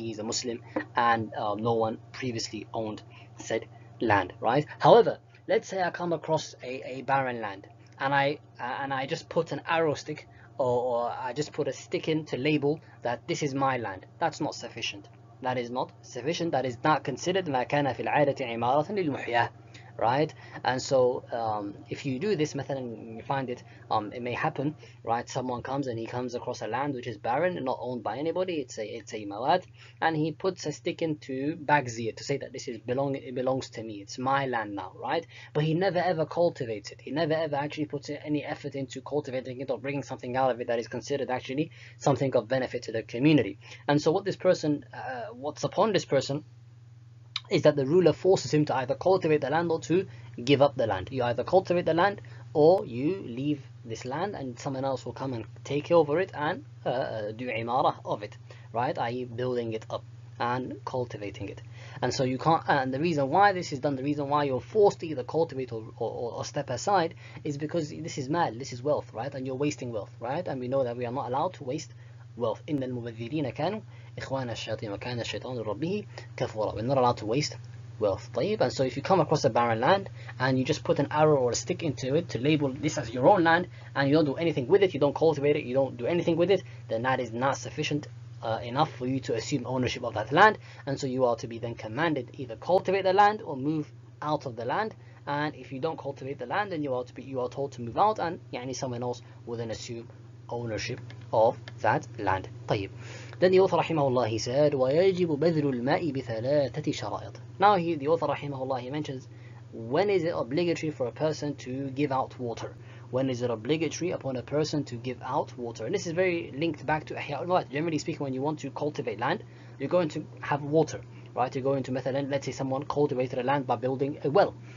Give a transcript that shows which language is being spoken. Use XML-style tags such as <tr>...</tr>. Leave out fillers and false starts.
<en>he's a Muslim and no one previously owned said land, right? However, let's say I come across a barren land, and I just put an arrow stick, or I just put a stick in to label that this is my land. That's not sufficient. That is not sufficient. That is not considered</en> <ar>ما كان في العادة عمارة للمحيا,</ar> <en>right? And so if you do this method and you find it, it may happen, right? Someone comes and he comes across a land which is barren and not owned by anybody, it's a mawad, and he puts a stick in to bagzi it, to say that this is belong, it belongs to me, it's my land now, right? But he never ever cultivates it, he never ever actually puts any effort into cultivating it or bringing something out of it that is considered actually something of benefit to the community. And so what this person, what's upon this person is that the ruler forces him to either cultivate the land or to give up the land. You either cultivate the land or you leave this land and someone else will come and take over it and do imara of it, right? I.e. building it up and cultivating it. And so you can't, and the reason why this is done, the reason why you're forced to either cultivate or step aside is because this is mal, this is wealth, right? And you're wasting wealth, right? And we know that we are not allowed to waste wealth.</en> <ar>إن المبذرين كانوا إخوان الشياطين وكان الشيطان لربه كفورا.</ar> <en>We're not allowed to waste wealth.</en> <ar>طيب.</ar> <en>And so if you come across a barren land and you just put an arrow or a stick into it to label this as your own land, and you don't do anything with it, you don't cultivate it, you don't do anything with it, then that is not sufficient enough for you to assume ownership of that land. And so you are to be then commanded either cultivate the land or move out of the land. And if you don't cultivate the land, then you are told to move out, and يعني someone else will then assume ownership of that land.</en> <ar>طيب.</ar> <en>Then the author</en> <ar>رحمه الله</ar> <en>he said</en> <ar>ويجب بذل الماء بثلاثة شرائط.</ar> <en>Now the author رحمه الله he mentions when is it obligatory for a person to give out water? When is it obligatory upon a person to give out water? And this is very linked back to أحياء الموات. Generally speaking, when you want to cultivate land, you're going to have water, right? You're going to مثلا, let's say someone cultivated a land by building a well.</en>